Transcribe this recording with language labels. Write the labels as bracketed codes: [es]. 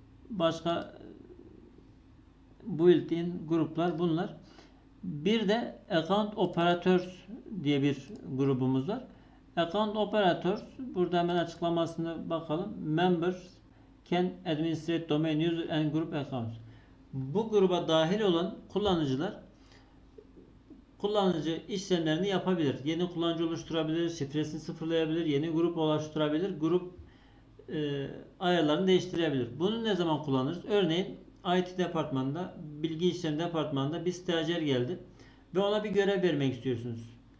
[tr] Başka built-in gruplar bunlar. Bir de account operators diye bir grubumuz var. Account operators, burada hemen açıklamasını bakalım. [en] Members can administrate domain user and group accounts. [tr] Bu gruba dahil olan kullanıcılar kullanıcı işlemlerini yapabilir. Yeni kullanıcı oluşturabilir, şifresini sıfırlayabilir, yeni grup oluşturabilir, grup ayarlarını değiştirebilir. Bunu ne zaman kullanırız? Örneğin IT departmanında, bilgi işlem departmanında bir stajyer geldi ve ona bir görev vermek istiyorsunuz.